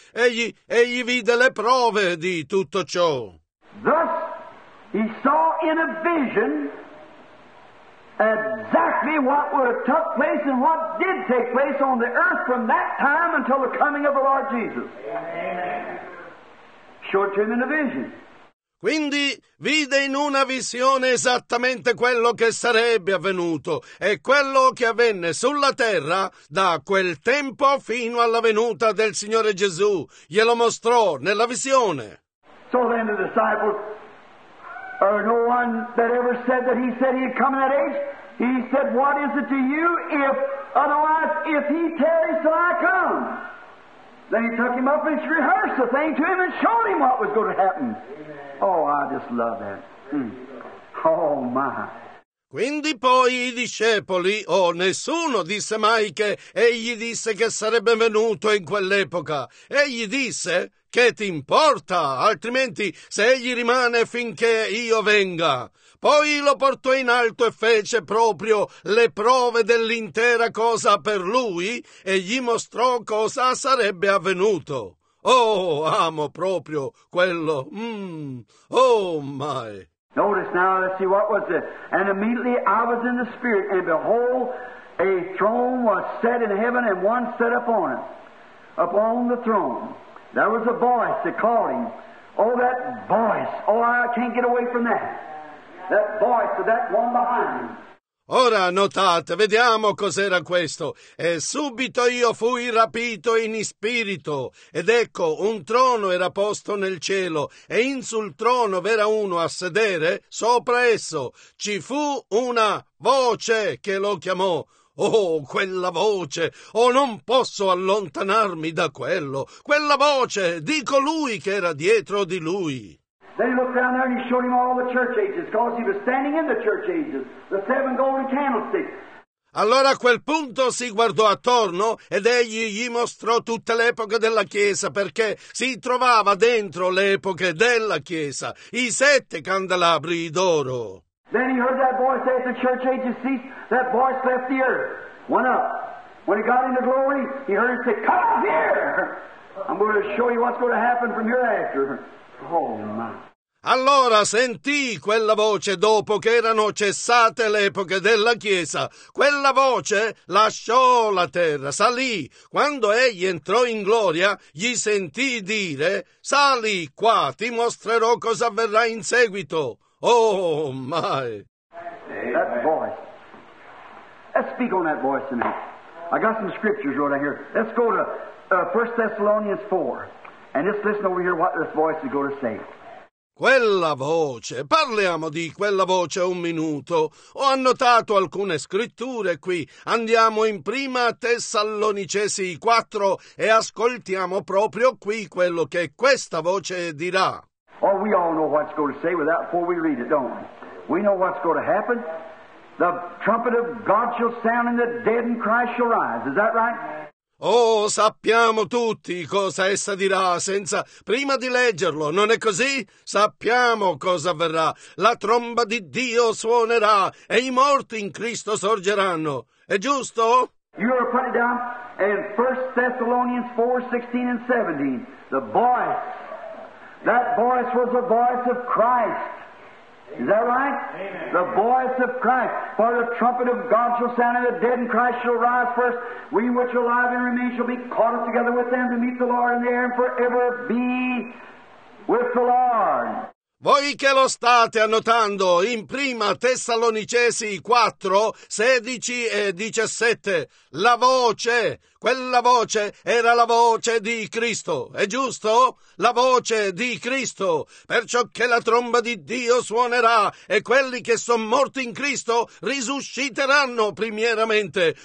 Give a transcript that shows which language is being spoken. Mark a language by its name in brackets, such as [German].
[Italian] Egli vide le prove di tutto ciò. [English] Thus, he saw in a vision exactly what would have took place and what did take place on the earth from that time until the coming of the Lord Jesus. Amen. Showed to him in a vision. [Italian] Quindi vide in una visione esattamente quello che sarebbe avvenuto e quello che avvenne sulla terra da quel tempo fino alla venuta del Signore Gesù. Glielo mostrò nella visione. [English] So then the disciples, or no one that ever said that he said he had come in that age, he said, what is it to you if, otherwise, if he tarries till I come? Then he took him up and rehearsed the thing to him and showed him what was going to happen. Oh, I just love that. Oh, my. [Italian] Quindi poi i discepoli, nessuno disse mai che egli disse che sarebbe venuto in quell'epoca. Egli disse, che ti importa, altrimenti se egli rimane finché io venga. Poi lo portò in alto e fece proprio le prove dell'intera cosa per lui e gli mostrò cosa sarebbe avvenuto. Oh, amo proprio quello. [English] Oh, my. Notice now, let's see what was it. And immediately I was in the Spirit, and behold, a throne was set in heaven, and one set upon it, upon the throne. There was a voice that called him. Oh, that voice. Oh, I can't get away from that. That voice of that one behind him. [Italian] Ora notate, vediamo cos'era questo. E subito io fui rapito in spirito, ed ecco, un trono era posto nel cielo, e in sul trono v'era uno a sedere, sopra esso. Ci fu una voce che lo chiamò. Oh, quella voce! Oh, non posso allontanarmi da quello! Quella voce di colui che era dietro di lui! [English] Then he looked down there and he showed him all the church ages, because he was standing in the church ages, the seven golden candlesticks. [Italian] Allora a quel punto si guardò attorno ed egli gli mostrò tutte le epoche della Chiesa, perché si trovava dentro le epoche della Chiesa, i sette candelabri d'oro. [English] Then he heard that voice say, the church age is ceased. That voice left the earth, went up. When he got into glory, he heard it say, come up here! I'm going to show you what's going to happen from hereafter. Oh, my. [Italian] Allora sentì quella voce dopo che erano cessate le epoche della Chiesa. Quella voce lasciò la terra, salì. Quando egli entrò in gloria, gli sentì dire, sali qua, ti mostrerò cosa avverrà in seguito. [English] Oh, my! That voice. Let's speak on that voice tonight. I got some scriptures right here. Let's go to 1 Thessalonians 4. And let's listen over here what this voice is going to say. [Italian] Quella voce, parliamo di quella voce un minuto. Ho annotato alcune scritture qui. Andiamo in Prima Tessalonicesi 4 e ascoltiamo proprio qui quello che questa voce dirà. [English] Oh, we all know what's going to say without before we read it, don't we? We know what's going to happen. The trumpet of God shall sound and the dead in Christ shall rise. Is that right? [Italian] Oh, sappiamo tutti cosa essa dirà senza prima di leggerlo, non è così? Sappiamo cosa avverrà. La tromba di Dio suonerà e i morti in Cristo sorgeranno. È giusto? [English] You are putting down in 1 Thessalonians 4:16 and 17. The voice. That voice was the voice of Christ. Is that right? Amen. The voice of Christ. For the trumpet of God shall sound, and the dead in Christ shall rise first. We which are alive and remain shall be caught up together with them to meet the Lord in the air, and forever be with the Lord. [Italian] Voi che lo state annotando in Prima Tessalonicesi 4, 16 e 17, la voce, quella voce era la voce di Cristo, è giusto? La voce di Cristo, perciò che la tromba di Dio suonerà e quelli che sono morti in Cristo risusciteranno primieramente.